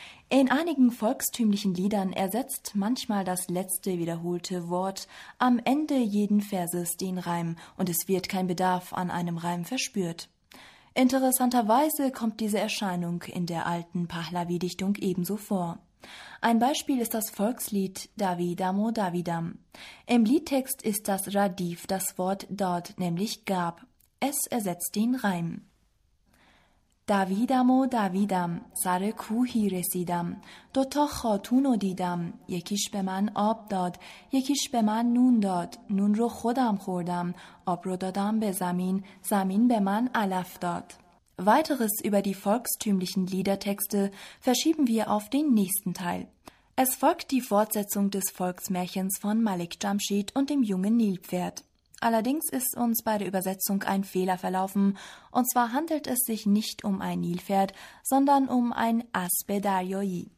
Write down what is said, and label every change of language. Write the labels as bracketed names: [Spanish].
[German] In einigen volkstümlichen Liedern ersetzt manchmal das letzte wiederholte Wort am Ende jeden Verses den Reim und es wird kein Bedarf an einem Reim verspürt. Interessanterweise kommt diese Erscheinung in der alten Pahlavi-Dichtung ebenso vor. Ein Beispiel ist das Volkslied Davidamo Davidam. Im Liedtext ist das Radif das Wort dort, nämlich gab. Es ersetzt den Reim. [Persian] داویدم و داویدم سر کوهی رسیدم دوتا خاتونو دیدم یکیش به من آب داد یکیش به من نون داد نون رو خودم خوردم آب رو دادم به زمین زمین به من علف داد. [German] Weiteres über die volkstümlichen Liedertexte verschieben wir auf den nächsten Teil. Es folgt die Fortsetzung des Volksmärchens von Malik Jamshid und dem jungen Nilpferd. Allerdings ist uns bei der Übersetzung ein Fehler verlaufen, und zwar handelt es sich nicht um ein Nilpferd, sondern um ein Aspe Daryoyi.